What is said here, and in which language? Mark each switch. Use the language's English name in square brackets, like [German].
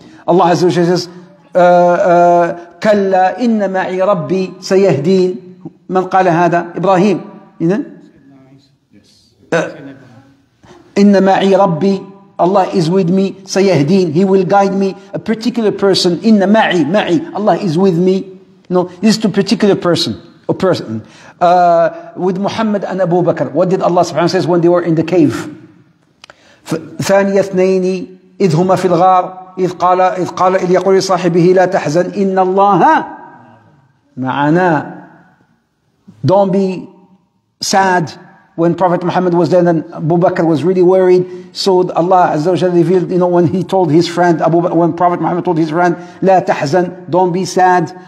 [English] Allah Azza wa Jalla says, [Arabic] كَلَّا إِنَّ مَعِي رَبِّي سَيَهْدِينَ [English] مَنْ قَالَ هَذَا؟ إِبْرَاهِيمُ إِنَّ مَعِي رَبِّي Allah is with me, سَيَهْدِينَ He will guide me. A particular person, [Arabic] إِنَّ مَعِي مَعِي [English] Allah is with me. No, this is to a particular person. A person. With Muhammad and Abu Bakr. What did Allah subhanahu wa ta'ala say when they were in the cave? [Arabic] ثَانِيَ اثْنَيْنِ إِذْ هُمَا فِي الْغَارِ إذ قال إذ يقول لصاحبه لا تحزن إن الله معنا [English] Don't be sad. When Prophet Muhammad was there, then Abu Bakr was really worried. So Allah Azza wa Jalla revealed, you know, when he told his friend, when Prophet Muhammad told his friend, [Arabic] لا تحزن, [English] don't be sad.